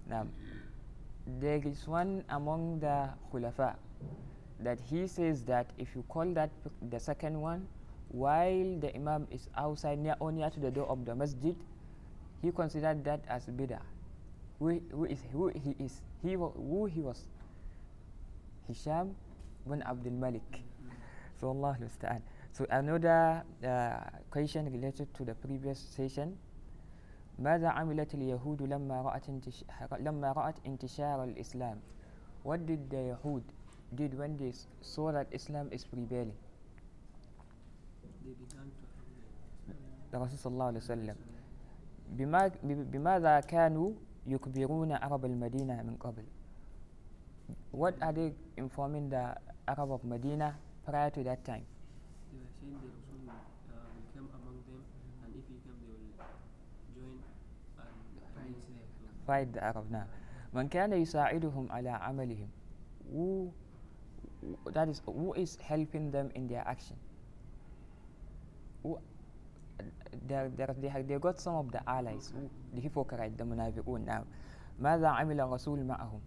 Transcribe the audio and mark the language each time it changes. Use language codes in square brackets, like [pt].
[en] second one. Now, there is one among the khulafa that he says that if you call that the second one while the imam is outside near to the door of the masjid, he considered that as bidah. Who he was? Hisham bin Abdul Malik. So Allah musta'an. So another question related to the previous session. [ar] ماذا عملت اليهود لما رأت انتشار الإسلام? [en] What did the Yahud did when they saw that Islam is prevailing? They began to the Rasul sallallahu alayhi wa sallam. [ar] بماذا كانوا يكبرون عرب المدينة من قبل? [en] What are they informing the Arab of Medina prior to that time? They were saying the Rasul will come among them, and if he come, they will join and fight the Arab. Now, [ar] من كان يساعدهم على عملهم? [en] Who is helping them in their action? They got some of the allies, the hypocrites, the munafiqun. [ar] Now, ماذا عمل الرسول معهم?